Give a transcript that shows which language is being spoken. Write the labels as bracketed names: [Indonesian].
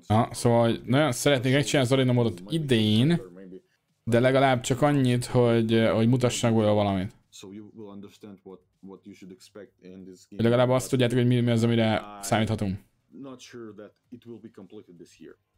[Hungarian] Szóval nagyon szeretnék megcsinálni az arena módot idén, de legalább csak annyit, hogy mutassanak volna valamit. [English] So you will understand what you should expect in this game. [Hungarian] Legalább azt tudjátok, hogy mi az, amire számíthatunk. [English] Not sure that it will be completed this year.